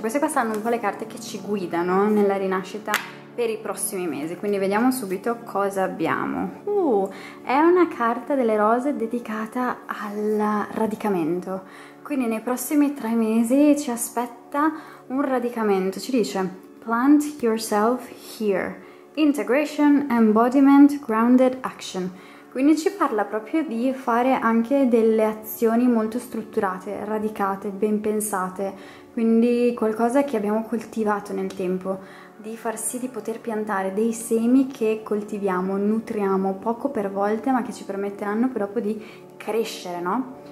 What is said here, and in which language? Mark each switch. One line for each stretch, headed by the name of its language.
Italian: Queste qua saranno un po' le carte che ci guidano nella rinascita per i prossimi mesi, quindi vediamo subito cosa abbiamo. È una carta delle rose dedicata al radicamento, quindi nei prossimi 3 mesi ci aspetta un radicamento. Ci dice:
English: plant yourself here, integration, embodiment, grounded action.
Italian: Quindi ci parla proprio di fare anche delle azioni molto strutturate, radicate, ben pensate, quindi qualcosa che abbiamo coltivato nel tempo, di far sì di poter piantare dei semi che coltiviamo, nutriamo poco per volta, ma che ci permetteranno proprio di crescere, no?